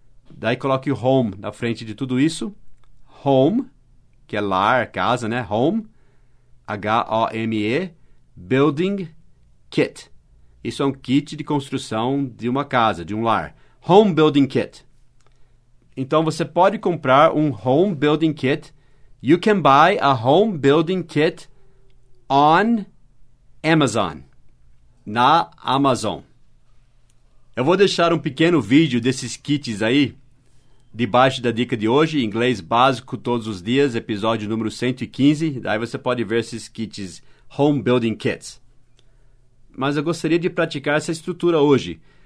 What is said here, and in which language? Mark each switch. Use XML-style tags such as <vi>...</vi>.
<pt>Daí coloque home na frente de tudo isso. Home, que é lar, casa, né?</pt> <en>Home, H-O-M-E, building kit.</en> <pt>Isso é um kit de construção de uma casa, de um lar. Home building kit. Então, você pode comprar um home building kit.</pt> <en>You can buy a home building kit on Amazon.</en> <pt>Na Amazon. Eu vou deixar um pequeno vídeo desses kits aí, debaixo da dica de hoje, inglês básico todos os dias, episódio número 115. Daí você pode ver esses kits, home building kits. Mas eu gostaria de praticar essa estrutura hoje.</pt>